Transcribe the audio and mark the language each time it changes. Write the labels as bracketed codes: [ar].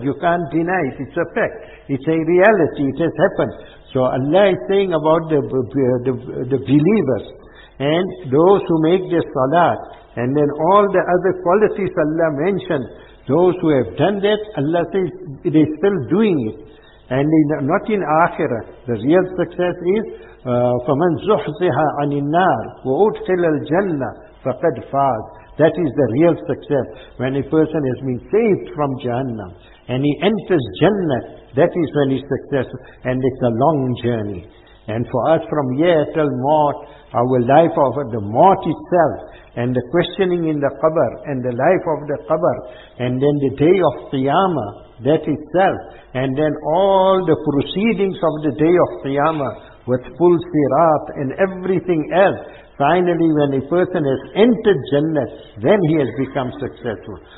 [en] You can't deny it. It's a fact. It's a reality. It has happened. So Allah is saying about the believers and those who make their salat, and then all the other qualities Allah mentioned, those who have done that, Allah says they're still doing it. And not in akhirah. The real success is [ar] فَمَنْ زُحْزِهَا عَنِ النَّارِ وَأُدْخِلَ الْجَنَّةِ فَقَدْ فَازَ. [en] That is the real success. When a person has been saved from Jahannam and he enters Jannah, that is when he's successful. And it's a long journey. And for us from here till maut, our life of the maut itself, and the questioning in the qabr, and the life of the qabr, and then the day of Qiyamah, that itself, and then all the proceedings of the day of Qiyamah, with full sirat and everything else, finally when a person has entered Jannah, then he has become successful.